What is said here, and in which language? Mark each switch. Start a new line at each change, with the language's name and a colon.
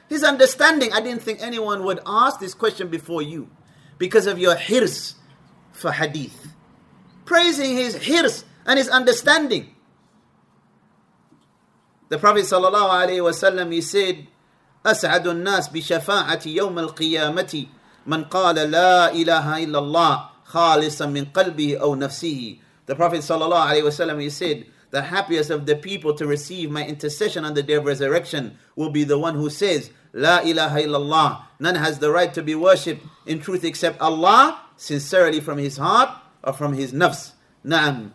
English: This understanding, I didn't think anyone would ask this question before you because of your hirs for hadith. Praising his hirs and his understanding. The Prophet sallallahu alayhi wa sallam, he said,
Arabic: أَسْعَدُ النَّاسِ بِشَفَاعَةِ يَوْمَ الْقِيَامَةِ مَنْ قَالَ لَا إِلَهَ إِلَّا اللَّهِ خَالِصًا مِنْ قَلْبِهِ أَوْ نَفْسِهِ.
English: The Prophet sallallahu alayhi wa sallam, he said, the happiest of the people to receive my intercession on the day of resurrection will be the one who says,
Arabic: La ilaha illallah,
English: none has the right to be worshipped in truth except Allah, sincerely from his heart or from his nafs. Na'am.